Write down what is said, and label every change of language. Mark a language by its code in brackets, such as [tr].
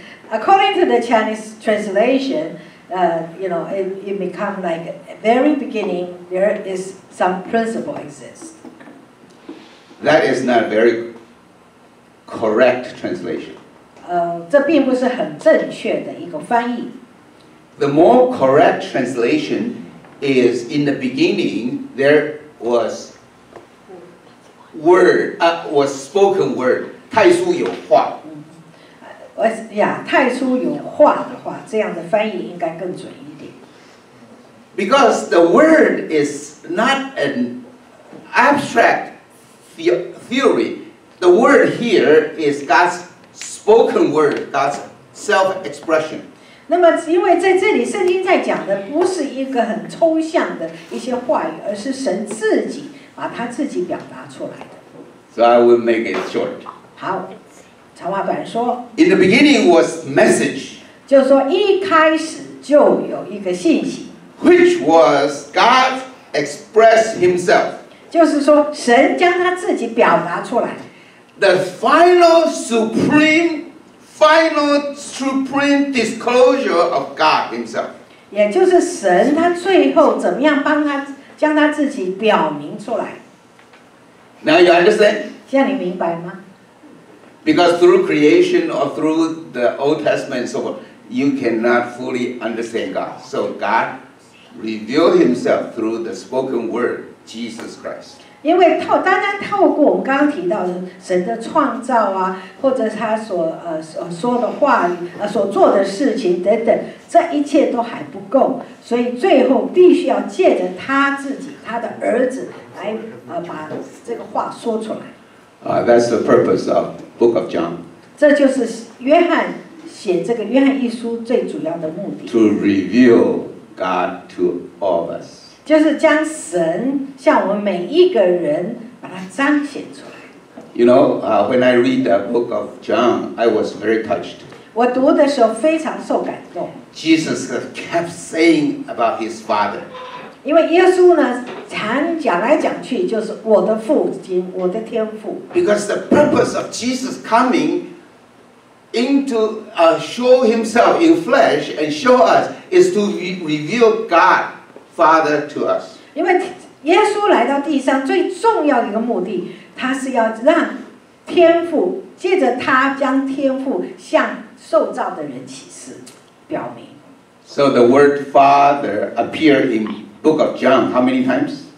[en] According to the Chinese translation. You know, it become like very beginning. There is some principle exists. That is not very correct translation. [zh] 这并不是很正确的一个翻译。 [en] The more correct translation is in the beginning there was word, was spoken word. [zh] 太初有话。太初有话的话，这样的翻译应该更准一点。 [en] Because the word is not an abstract theory. The word here is God's spoken word, God's self-expression. [zh] 那么，因为在这里圣经在讲的不是一个很抽象的一些话语，而是神自己把他自己表达出来的。 [en] So I will make it short. [zh] 好。长话短说。 [en] In the beginning was message. [zh] 就是说一开始就有一个信息。 [en] Which was God express himself. [zh] 就是说神将他自己表达出来。 [en] The final supreme disclosure of God himself. [zh] 也就是神他最后怎么样帮他将他自己表明出来。 [en] Now you understand? [zh] 现在你明白吗？ [en] Because through creation or through the Old Testament and so forth, you cannot fully understand God. So God revealed himself through the spoken word, Jesus Christ. [zh] 因为透单单透过我们刚刚提到的神的创造啊，或者他所说的话语所做的事情等等，这一切都还不够，所以最后必须要借着他自己他的儿子来把这个话说出来。 [en] That's the purpose of the book of John. [zh] 这就是约翰写这个约翰一书最主要的目的。 [en] To reveal God to all of us. [zh] 就是将神向我们每一个人把它彰显出来。 [en] You know, when I read the book of John, I was very touched. [zh] 我读的时候非常受感动。 [en] Jesus kept saying about his father. [zh] 因为耶稣呢，常讲来讲去就是我的父亲，我的天父。 [en] Because the purpose of Jesus coming into show himself in flesh and show us is to reveal God Father to us. [zh] 因为耶稣来到地上最重要的一个目的，他是要让天父借着他将天父向受造的人启示，表明。 [en] So the word Father appeared in. Book of John, how many times?